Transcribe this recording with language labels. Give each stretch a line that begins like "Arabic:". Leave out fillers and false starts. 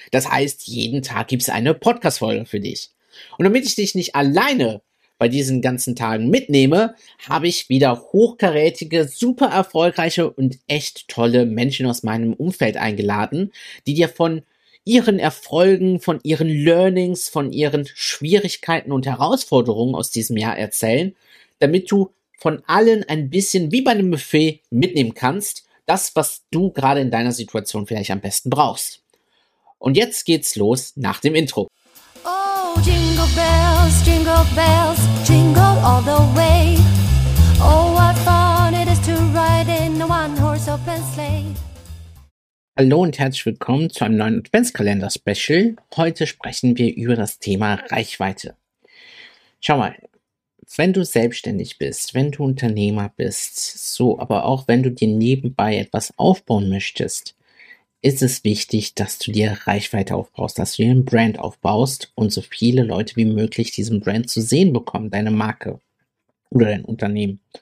German: Das heißt, jeden Tag gibt's eine Podcast-Folge für dich. Und damit ich dich nicht alleine bei diesen ganzen Tagen mitnehme, habe ich wieder hochkarätige, super erfolgreiche und echt tolle Menschen aus meinem Umfeld eingeladen, die dir von ihren Erfolgen, von ihren Learnings, von ihren Schwierigkeiten und Herausforderungen aus diesem Jahr erzählen, damit du von allen ein bisschen wie bei einem Buffet mitnehmen kannst, das, was du gerade in deiner Situation vielleicht am besten brauchst. Und jetzt geht's los nach dem Intro.
English: Oh, Jingle Bells, Jingle Bells, Jingle all the way. Oh, what fun it is to ride in a one-horse open sleigh.
German: Hallo und herzlich willkommen zu einem neuen Adventskalender-Special. Heute sprechen wir über das Thema Reichweite. Schau mal. Wenn du selbstständig bist, wenn du Unternehmer bist, so aber auch wenn du dir nebenbei etwas aufbauen möchtest, ist es wichtig, dass du dir Reichweite aufbaust, dass du dir einen Brand aufbaust und so viele Leute wie möglich diesen Brand zu sehen bekommen, deine Marke oder dein Unternehmen.